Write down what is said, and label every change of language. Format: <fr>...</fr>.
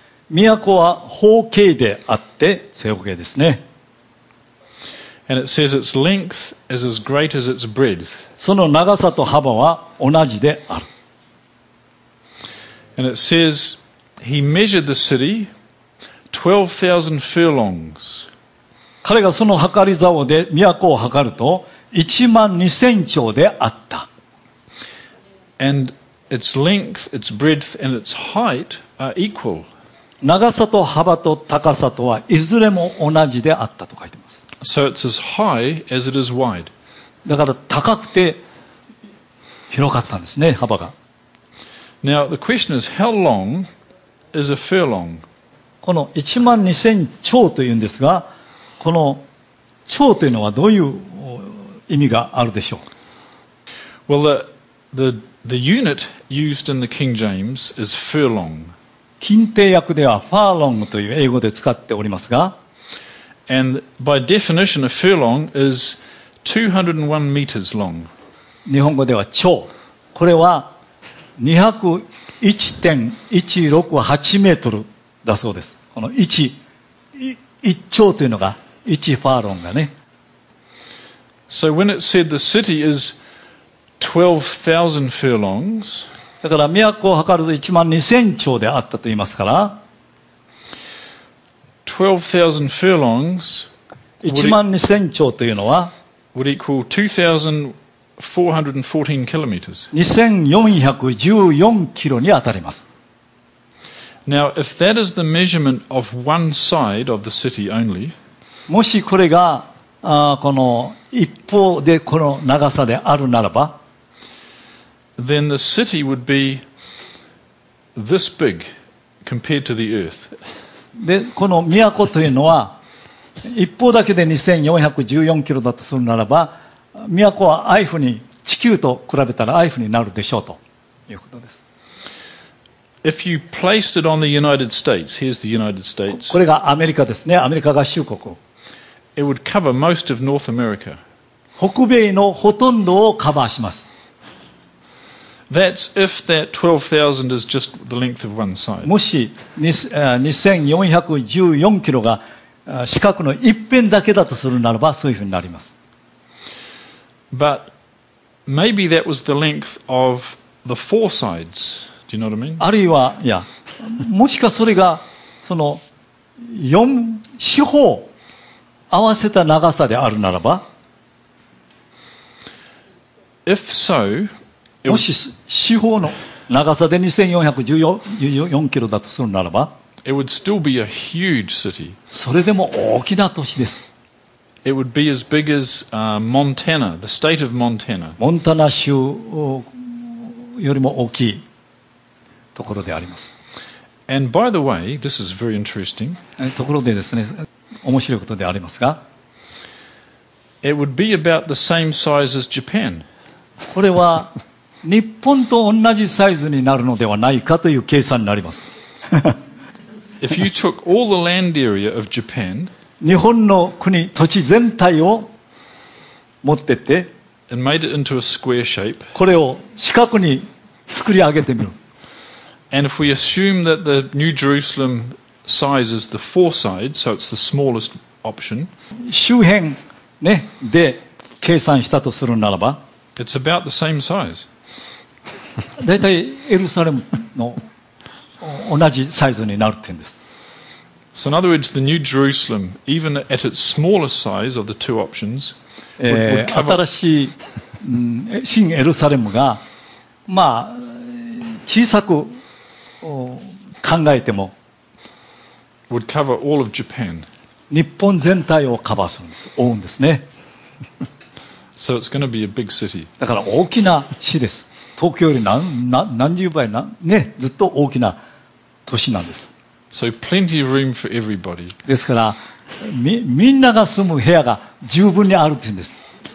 <ja>都は方形であって正方形ですね。</ja> <en>And it says its length is as great as its breadth.</en> <ja>その長さと幅は同じである。</ja> <en>And it says he measured the city 12,000 furlongs.</en> <ja>彼がその測り竿で都を測ると1万2000丁であった。</ja> <en>And its length, its breadth and its height are equal.</en> <ja>長さと幅と高さとはいずれも同じであったと書いてます。</ja> <en>So it's as high as it is wide.</en> <ja>だから高くて広かったんですね、幅が。</ja> <en>Now the question is, how long is a furlong?</en> <ja>この1万2000丁というんですが、この丁というのはどういう意味があるでしょう。</ja> <en>Well, the unit used in the King James is furlong.</en> <ja>近邸訳ではファーロングという英語で使っておりますが、</ja> <en>And by definition, a furlong is 201 meters long.</en> <ja>日本語では丁、これは 201.168 メートルだそうです。この 1丁というのが1ファーロングがね。</ja> <en>So when it said the city is 12,000 furlongs,</en> <ja>だから都を測ると1万2000丁であったと言いますから、</ja> <en>12,000 furlongs、</en> <ja>1万2000丁というのは、</ja> <en>would equal 2,414 kilometers。</en> <ja>2,414 キロに当たります。</ja> <en>Now, if that is the measurement of one side of the city only、</en> <ja>もしこれがこの一方でこの長さであるならば、</ja> <en>Then the city would be this big compared to the earth.</en> <ja>で、この都というのは一方だけで2414キロだとするならば、都はアイフに、地球と比べたらアイフになるでしょうということです。</ja> <en>If you placed it on the United States, here's the United States.</en> <ja>これがアメリカですね、アメリカ合衆国。</ja> <en>It would cover most of North America.</en> <ja>北米のほとんどをカバーします。</ja> <en>That's if that 12,000 is just the length of one side.</en> <ja>もし2414キロが四角の一辺だけだとするならば、そういうふうになります。</ja> <en>But maybe that was the length of the four sides. Do you know what I mean?</en> <ja>あるいは、いや、もしかそれがその四四方合わせた長さであるならば、</ja> <en>If so.</en> <ja>もし四方の長さで2414キロだとするならば、</ja> <en>It would still be a huge city.</en> <ja>それでも大きな都市です。</ja> <en>It would be as big as Montana, the state of Montana.</en> <ja>モンタナ州よりも大きいところであります。</ja> <en>And by the way, this is very interesting.</en> <ja>ところでですね、面白いことでありますが、</ja> <en>It would be about the same size as Japan.</en> <ja>これは日本と同じサイズになるのではないかという計算になります。</ja> <en>If you took all the land area of Japan,</en> <ja>日本の国、土地全体を持ってって、</ja> <en>and made it into a square shape,</en> <ja>これを四角に作り上げてみる。</ja> <en>And if we assume that the New Jerusalem size is the four sides, so it's the smallest option,</en> <ja>周辺、ね、で計算したとするならば、</ja> <en>It's about the same size.</en> <ja>だいたいエルサレムの同じサイズになるって言うんです。</ja> <en>So in other words, the New Jerusalem, even at its smallest size of the two options, would cover...</en> <ja>新しい、新エルサレムが、まあ、小さく考えても、</ja> <en>would cover all of Japan.</en> <ja>日本全体をカバーするんです。覆うんですね。</ja> <en>So it's going to be a big city.</en> <ja>だから大きな市です。東京より何十倍、ね、ずっと大きな都市なんです。</ja> <en>So plenty of room for everybody.</en> <ja>ですから みんなが住む部屋が十分にあるというんです。</ja>